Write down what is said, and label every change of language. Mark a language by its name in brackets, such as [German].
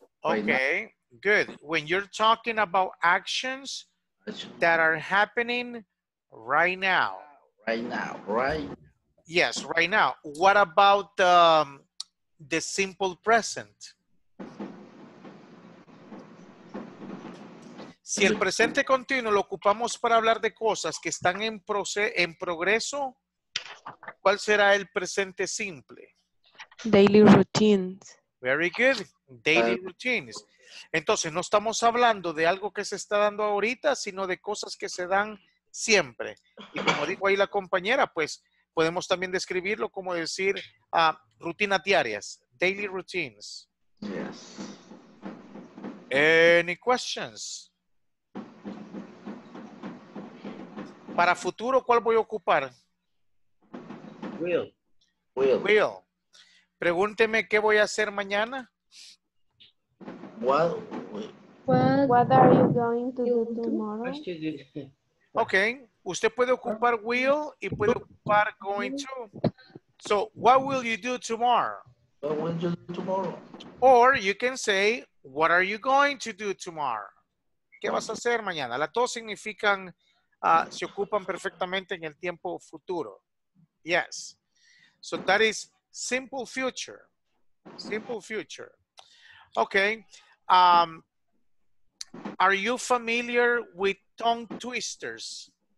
[English] Okay, good. When you're talking about actions that are happening right now. Right now, right? Yes, right now. What about the simple present? Simple [Spanish] Si el presente continuo lo ocupamos para hablar de cosas que están en progreso, ¿cuál será el presente simple? [English] Daily routines. Very good. Daily routines. [Spanish] Entonces, no estamos hablando de algo que se está dando ahorita, sino de cosas que se dan siempre. Y como dijo ahí la compañera, pues podemos también describirlo como decir rutinas diarias. [English] Daily routines. Yes. Any questions? [Spanish] Para futuro, ¿cuál voy a ocupar? [English] Will. [Spanish] Will. Pregúnteme qué voy a hacer mañana. [English] What are you going to do tomorrow? Okay. [Spanish] Usted puede ocupar will y puede ocupar going to. [English] So, what will you do tomorrow? What will you do tomorrow? Or you can say, what are you going to do tomorrow? [Spanish] ¿Qué vas a hacer mañana? Las dos significan, se ocupan perfectamente en el tiempo futuro. [English] Yes. So that is simple future. Simple future. Okay. Are you familiar with tongue twisters?